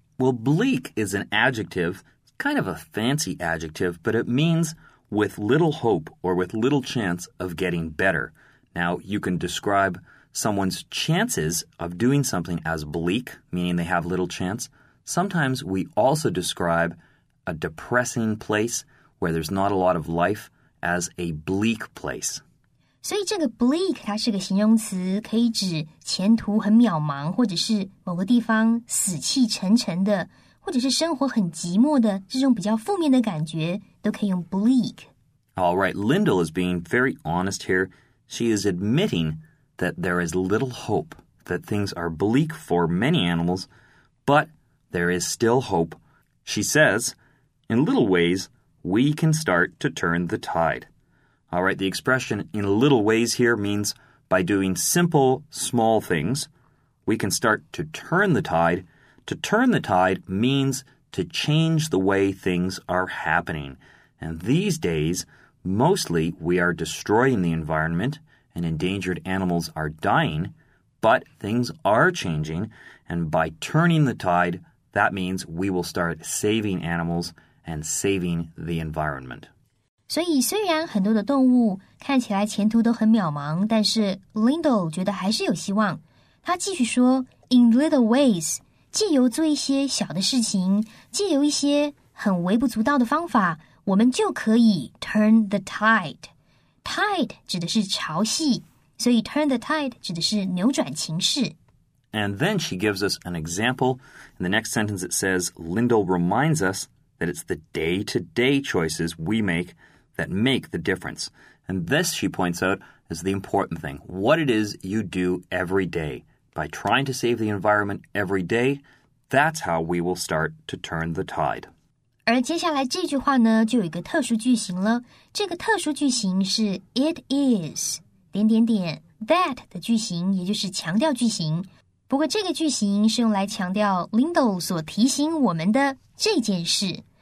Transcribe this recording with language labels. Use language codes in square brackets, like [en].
[en] Well, bleak is an adjective, kind of a fancy adjective, but it means with little hope or with little chance of getting better. Now, you can describe someone's chances of doing something as bleak, meaning they have little chance. Sometimes we also describe a depressing place where there's not a lot of life as a bleak place. [zh] 所以这个 bleak 它是个形容词，可以指前途很渺茫，或者是某个地方死气沉沉的，或者是生活很寂寞的，这种比较负面的感觉都可以用 bleak. [en] All right, Lindell is being very honest here. She is admitting that there is little hope, that things are bleak for many animals, but there is still hope. She says, in little ways, we can start to turn the tide. All right, the expression in little ways here means by doing simple, small things, we can start to turn the tide. To turn the tide means to change the way things are happening. And these days, mostly we are destroying the environment and endangered animals are dying, but things are changing. And by turning the tide, that means we will start saving animals and saving the environment. [zh] 所以虽然很多的动物看起来前途都很渺茫，但是 Lindell 觉得还是有希望。他继续说 , [en] in little ways, [zh] 借由做一些小的事情，借由一些很微不足道的方法，我们就可以 [en] turn the tide. [zh] Tide 指的是潮汐，所以 [en] turn the tide [zh] 指的是扭转情势。 [en] And then she gives us an example. In the next sentence it says, Lindell reminds us that it's the day-to-day choices we make that make the difference. And this, she points out, is the important thing. What it is you do every day. By trying to save the environment every day, that's how we will start to turn the tide. [zh] 而接下来这句话呢，就有一个特殊句型了。这个特殊句型是 it is 点点点 that 的句型，也就是强调句型。不过这个句型是用来强调 Lindell 所提醒我们的这件事。